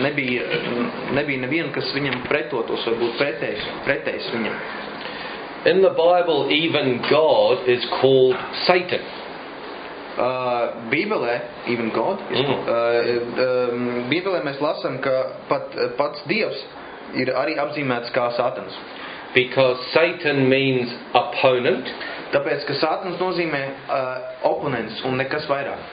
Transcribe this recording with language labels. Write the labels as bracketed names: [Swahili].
[Latvian] Nebija neviena, kas viņam pretotos vai būtu pretējis viņam. [English] In the Bible even God is called Satan. [Latvian] Bībelē, [English] even God, [Latvian] Bībelē mēs lasam, ka pats Dievs ir arī apzīmēts kā Sātans. [English] Because Satan means opponent. [Latvian] Tāpēc, ka Sātans nozīmē oponents un nekas vairāk.